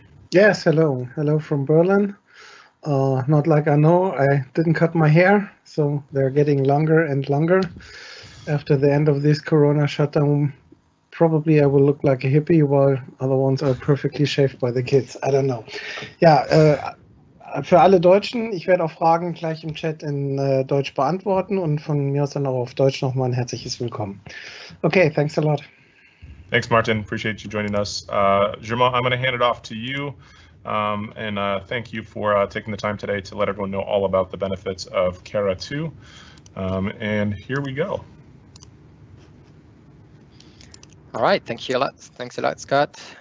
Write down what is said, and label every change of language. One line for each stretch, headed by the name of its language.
English: Yes, hello. Hello from Berlin. Not like I know, I didn't cut my hair, so they're getting longer and longer. After the end of this corona shutdown, probably I will look like a hippie while other ones are perfectly shaved by the kids. I don't know.
German: Yeah, für alle Deutschen, ich werde auch Fragen gleich im Chat in Deutsch beantworten und von mir aus dann auch auf Deutsch nochmal ein herzliches Willkommen.
English: Okay, thanks a lot. Thanks, Martin. Appreciate you joining us. Germain, I'm going to hand it off to you. Thank you for taking the time today to let everyone know all about the benefits of CARA 2. And here we go. All right, thank you a lot. Thanks a lot, Scott.